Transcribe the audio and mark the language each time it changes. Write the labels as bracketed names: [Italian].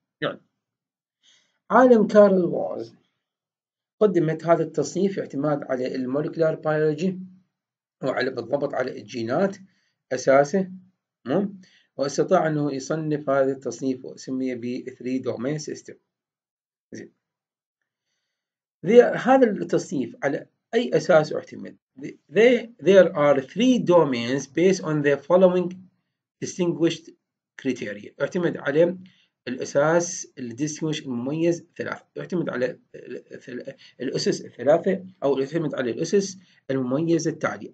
[Arabic] يعني عالم كارل وولز قدمت هذا التصنيف اعتماد على المولكولار بيولوجي وعلى بالضبط على الجينات أساسه، مو واستطاع أنه يصنف هذا التصنيف وسمي ب 3 دومين سيستم. زين هذا التصنيف على أي أساس اعتمد؟ [English] There are three domains based on the following distinguished criteria. [Arabic] اعتمد على الأساس الديستنجوش المميز ثلاثة، يعتمد على الأسس الثلاثة أو يعتمد على الأسس المميزة التالية.